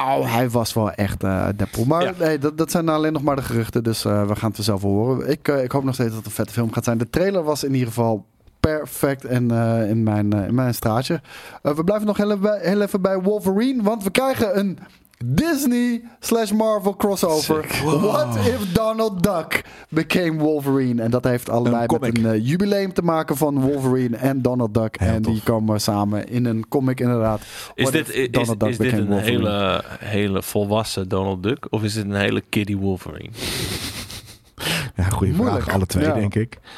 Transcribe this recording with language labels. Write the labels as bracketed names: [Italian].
[Dutch] Hij was wel echt Deadpool. Maar dat zijn alleen nog maar de geruchten, dus we gaan het er zelf horen. Ik hoop nog steeds dat het een vette film gaat zijn. De trailer was in ieder geval perfect en in mijn straatje. We blijven nog heel even bij Wolverine, want we krijgen een Disney/Marvel crossover. Wow. [English] What if Donald Duck became Wolverine? [Dutch] En dat heeft allebei met een jubileum te maken van Wolverine en Donald Duck. Heel en tof. Die komen samen in een comic inderdaad. Is dit een Wolverine? Hele volwassen Donald Duck? Of is dit een hele kiddie Wolverine? Ja, goede vraag. Alle twee, denk ik.